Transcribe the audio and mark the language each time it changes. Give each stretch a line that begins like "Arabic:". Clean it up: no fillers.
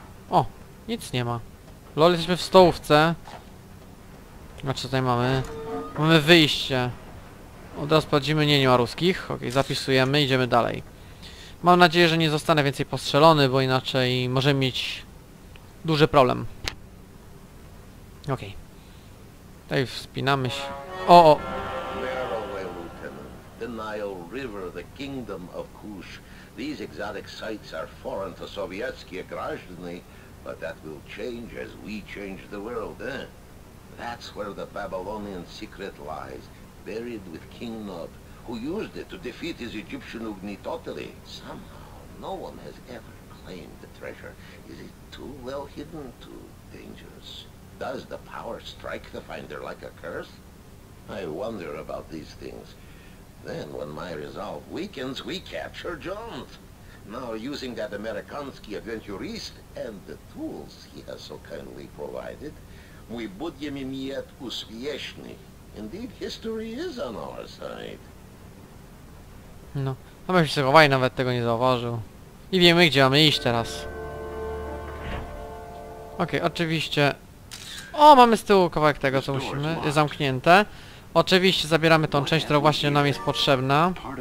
Polish: O, nic nie ma. Lol, jesteśmy w stołówce. A co tutaj mamy? Mamy wyjście. Od razu sprawdzimy, nie ma ruskich. Okej, zapisujemy, idziemy dalej. Mam nadzieję, że nie zostanę więcej postrzelony, bo inaczej możemy mieć duży problem. Okej. Tutaj wspinamy się. O, o!
English: Where are we, Lieutenant? The Nile River, the Kingdom of Kush. These exotic sites are foreign to
Russian: sowieckie grażdny,
English: but that will change as we change the world, eh? That's where the Babylonian secret lies, buried with King Nob. Who used it to defeat his Egyptian Ugnitotili? Somehow, no one has ever claimed the treasure. Is it too well hidden, too dangerous? Does the power strike the finder like a curse? I wonder about these things. Then, when my resolve weakens, we capture Jones. Now, using that Amerykanski adventurist and the tools he has so kindly provided, we
Russian: budziemy miet uspieszny.
English: Indeed, history is on our side.
Polish: No, a my się chowali, nawet tego nie zauważył. I wiemy, gdzie mamy iść teraz. Okej, oczywiście. O, mamy z tyłu kawałek tego, co musimy. Jest zamknięte. Oczywiście zabieramy tą część, która właśnie nam jest potrzebna.